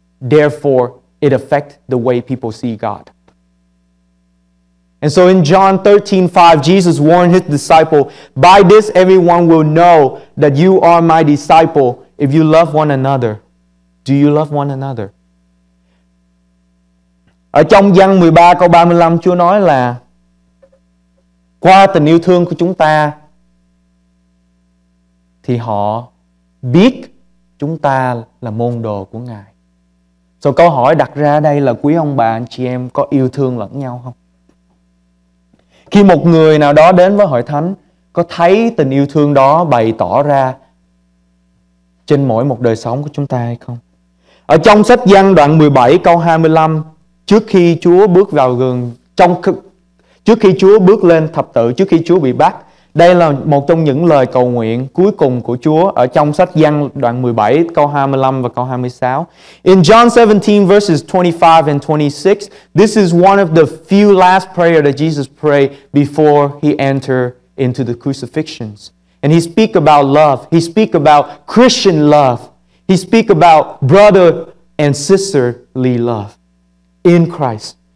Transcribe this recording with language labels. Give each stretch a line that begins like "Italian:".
English: Therefore, it affects the way people see God. And so in John 13:5, Jesus warned his disciple, by this everyone will know that you are my disciple if you love one another. Do you love one another?
Vietnamese: Ở trong Giăng 13 câu 35, Chúa nói là qua tình yêu thương của chúng ta thì họ biết chúng ta là môn đồ của Ngài. So câu hỏi đặt ra đây là quý ông bà, anh chị em có yêu thương lẫn nhau không? Khi một người nào đó đến với hội thánh, có thấy tình yêu thương đó bày tỏ ra trên mỗi một đời sống của chúng ta hay không? Ở trong sách Giăng đoạn 17 câu 25, trước khi Chúa bước vào gần trong, trước khi Chúa bước lên thập tự, trước khi Chúa bị bắt, Đây là một trong những lời cầu nguyện cuối cùng của Chúa ở trong sách Giăng đoạn 17 câu 25 và câu 26.
English: In John 17 verses 25 and 26, this is one of the few last prayer that Jesus prayed before he entered into the crucifixions. And he speak about love. He speak about Christian love. He speak about brother and sisterly love in Christ.